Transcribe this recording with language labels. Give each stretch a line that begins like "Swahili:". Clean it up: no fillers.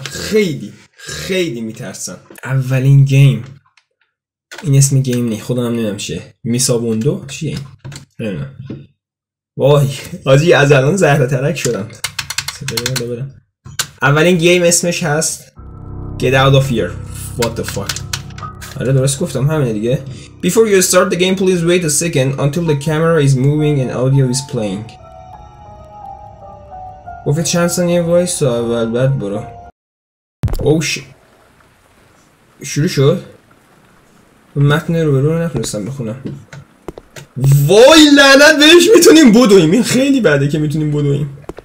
Persian: خیلی خیلی میترسم. اولین گیم، این اسم گیم نی خودم نمیدونم چیه. میسابوندو چیه؟ نمیدونم. وای آجی از الان زهره ترک شدم. اولین گیم اسمش هست
English: Get out of here. What the fuck.
Persian: آره درست گفتم، همینه دیگه.
English: Before you start the game, please wait a second until the camera is moving and audio is playing.
Persian: گفت چند ثانیه وایس و اول بعد برو. شروع شد؟ متن رو برو نخونستم بخونم. وای لعنت بهش، میتونیم بدویم. این خیلی بده که میتونیم بدویم.